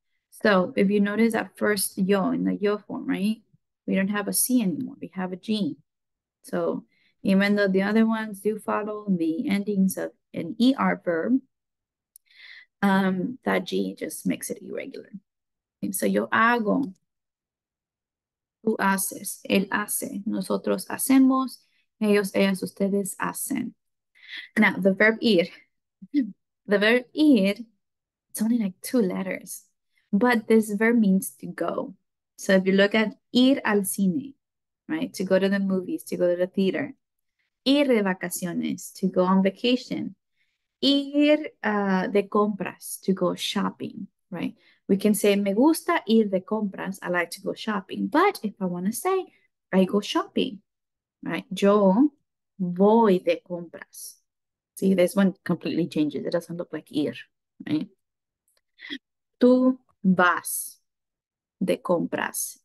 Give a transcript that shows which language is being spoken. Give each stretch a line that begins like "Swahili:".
English: So if you notice that first yo in the yo form, right? We don't have a C anymore. We have a G. So even though the other ones do follow the endings of an ER verb, that G just makes it irregular. Okay? So
Spanish: yo hago. Tú haces, él hace, nosotros hacemos, ellos, ellas, ustedes hacen.
English: Now, the verb ir. The verb ir, it's only like two letters, but this verb means to go. So if you look at
Spanish: ir al cine,
English: right, to go to the movies, to go to the theater,
Spanish: ir de vacaciones,
English: to go on vacation,
Spanish: ir de compras,
English: to go shopping, right? We can say,
Spanish: me gusta ir de compras.
English: I like to go shopping. But if I want to say, I go shopping, right?
Spanish: Yo voy de compras.
English: See, this one completely changes. It doesn't look like ir, right?
Spanish: Tú vas de compras.